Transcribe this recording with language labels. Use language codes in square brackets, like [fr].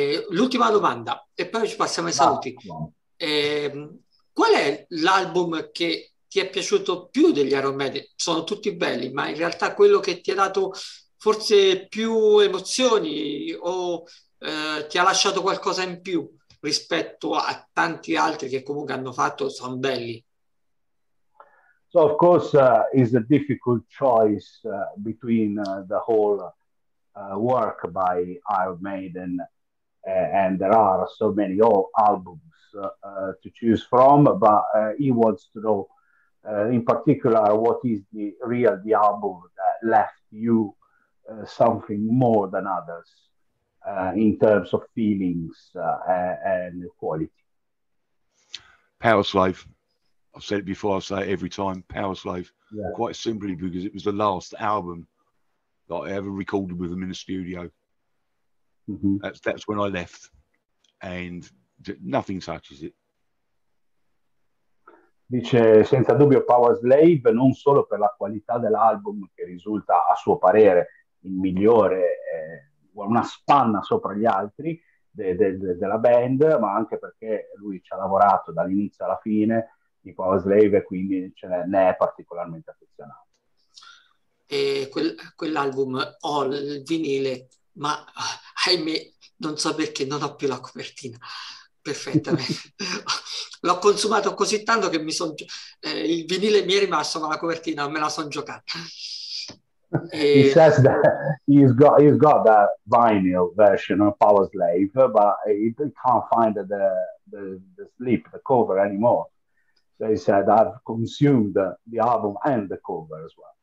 [it] L'ultima domanda, e poi ci passiamo ai saluti. Qual è l'album che ti è piaciuto più degli Iron Maiden? Sono tutti belli, ma in realtà quello che ti ha dato forse più emozioni o ti ha lasciato qualcosa in più rispetto a tanti altri che comunque hanno fatto, sono belli. [en] So, of course, it's a difficult choice between the whole work by Iron Maiden, and there are so many albums to choose from. But he wants to know, in particular, what is the album that left you something more than others in terms of feelings and quality. Powerslave. I've said it before, I say it every time, Powerslave, quite simply because it was the last album that I ever recorded with them in a studio. That's when I left, and nothing touches it. [it] Dice senza dubbio Powerslave, non solo per la qualità dell'album che risulta a suo parere il migliore, una spanna sopra gli altri della band, ma anche perché lui ci ha lavorato dall'inizio alla fine di Powerslave e quindi ce ne è particolarmente affezionato. Quell'album ho il vinile, ma ahimè, non so perché non ho più la copertina. Perfettamente. L'ho consumato così tanto che mi sono il vinile mi è rimasto, ma la copertina me la sono giocata. [en] He says that he's got that vinyl version of Powerslave, but he can't find the slip, the cover anymore. So he said, I've consumed the album and the cover as